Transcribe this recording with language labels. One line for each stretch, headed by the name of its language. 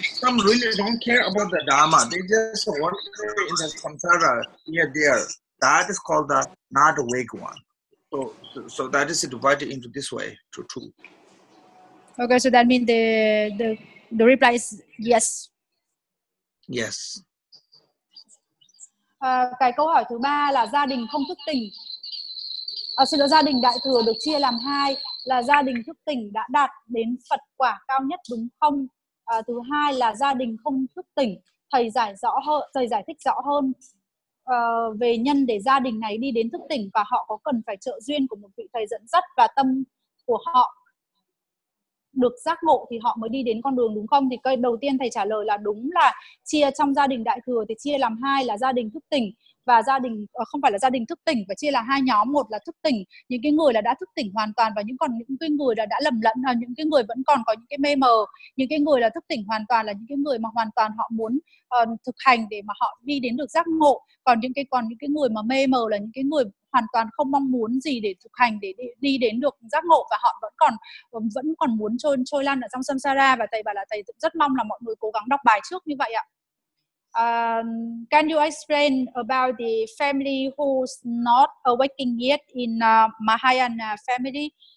English: Some really don't care about the Dharma. They just wander in the samsara here, there. That is called the not awake one. So that is divided into this way, to two. Okay, so that means the reply is yes. Yes.
Vietnamese: Cái câu hỏi thứ ba là gia đình không thức tỉnh. Xin lỗi, gia đình đại thừa được chia làm hai là gia đình thức tỉnh đã đạt đến Phật quả cao nhất đúng không? Thứ hai là gia đình không thức tỉnh. Thầy giải thích rõ hơn về nhân để gia đình này đi đến thức tỉnh, và họ có cần phải trợ duyên của một vị thầy dẫn dắt và tâm của họ được giác ngộ thì họ mới đi đến con đường đúng không? Thì cái đầu tiên thầy trả lời là đúng, là chia trong gia đình đại thừa thì chia làm hai, là gia đình thức tỉnh và gia đình, không phải là gia đình thức tỉnh, và chia là hai nhóm, một là thức tỉnh, những cái người là đã thức tỉnh hoàn toàn, và những còn những cái người là đã lầm lẫn, là những cái người vẫn còn có những cái mê mờ. Những cái người là thức tỉnh hoàn toàn là những cái người mà hoàn toàn họ muốn thực hành để mà họ đi đến được giác ngộ, còn những cái người mà mê mờ là những cái người hoàn toàn không mong muốn gì để thực hành để đi đến được giác ngộ, và họ vẫn còn muốn trôi lăn ở trong
English: samsara.
Vietnamese: Và thầy bảo là thầy rất mong là mọi người cố gắng đọc bài trước như vậy ạ.
English: Can you explain about the family who's not awakening yet in Mahayana family?